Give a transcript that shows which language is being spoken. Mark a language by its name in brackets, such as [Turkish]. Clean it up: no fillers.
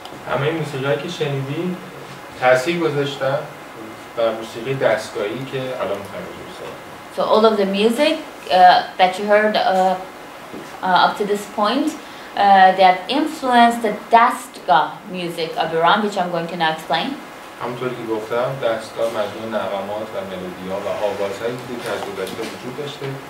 [Persian] همه موسیقی که شنیدی تأثیر گذاشته بر موسیقی دستگاهی که الان می‌خوایم [English] So all of the music that you heard up to this point that influenced the dastgah music of Iran, which I'm going to now explain. [Persian] همونطور که گفتم دستگاه مجموع نغمات و ملودی ها و آوازهایی بوده که از گذشته وجود داشته.